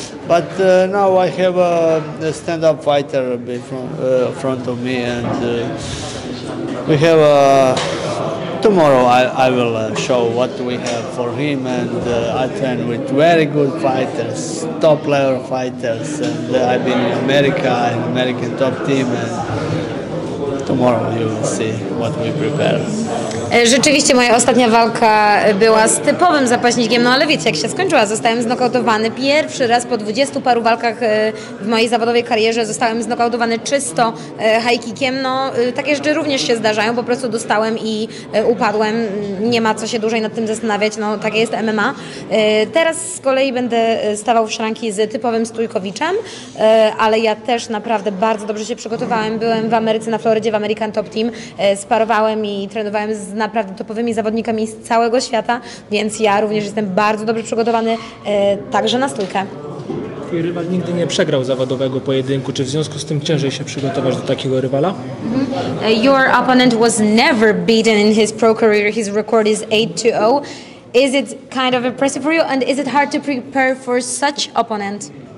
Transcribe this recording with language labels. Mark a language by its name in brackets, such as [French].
[English] But now I have a stand-up fighter in front of me, and we have tomorrow I will show what we have for him, and I train with very good fighters, top-level fighters, and I've been in America, in American top team, and tomorrow you will see what we prepare. [Polish] Rzeczywiście moja ostatnia walka była z typowym zapaśnikiem, no ale wiecie, jak się skończyła, zostałem znokautowany. Pierwszy raz po 20 paru walkach w mojej zawodowej karierze zostałem znokautowany czysto high kickiem. No takie rzeczy również się zdarzają, po prostu dostałem i upadłem, nie ma co się dłużej nad tym zastanawiać, no takie jest MMA. Teraz z kolei będę stawał w szranki z typowym Stójkowiczem, ale ja też naprawdę bardzo dobrze się przygotowałem, byłem w Ameryce, na Florydzie, w American Top Team, sparowałem i trenowałem z naprawdę topowymi zawodnikami z całego świata, więc ja również jestem bardzo dobrze przygotowany także na stójkę. Twój rywal nigdy nie przegrał zawodowego pojedynku. Czy w związku z tym ciężej się przygotować do takiego rywala? Mm-hmm. [English] Your opponent was never beaten in his pro career. His record is 8-0. Is it kind of impressive for you and is it hard to prepare for such opponent?